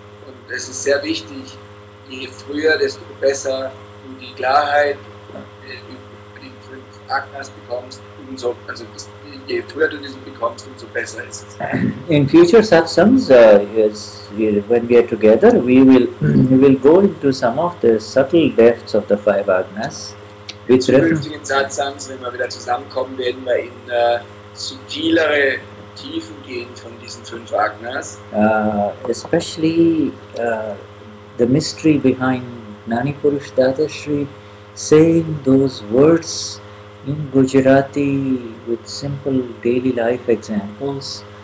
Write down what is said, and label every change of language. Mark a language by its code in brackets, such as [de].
[de] Und es ist sehr wichtig, je früher, desto besser du die Klarheit über die fünf Agnas bekommst, je früher du diesen bekommst, umso besser ist es. [en] In future satsangs, when we are together, we will go into some of the subtle depths of the five agnas. [de] In zukünftigen Satsangs, wenn wir wieder zusammenkommen, werden wir in subtilere Tiefen gehen von diesen fünf agnas. [en] Especially the mystery behind Gnani Purush Dadashri saying those words in Gujarati with simple daily life examples.